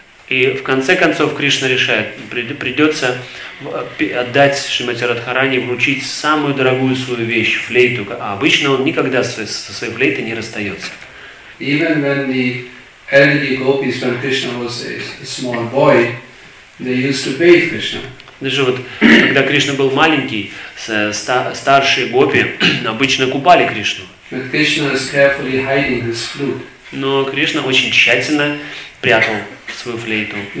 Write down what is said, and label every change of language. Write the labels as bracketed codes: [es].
[ru] И в конце концов Кришна решает, придется отдать Шримати Радхарани, вручить самую дорогую свою вещь, флейту. А обычно он никогда со своей флейтой не расстается. [en] Even when the elderly gopis, when Krishna was a small boy, they used to bathe Krishna. [ru] Даже вот, когда Кришна был маленький, старшие гопи обычно купали Кришну. [en] But Krishna is carefully hiding his flute. [ru] Но Кришна очень тщательно прятал свою флейту.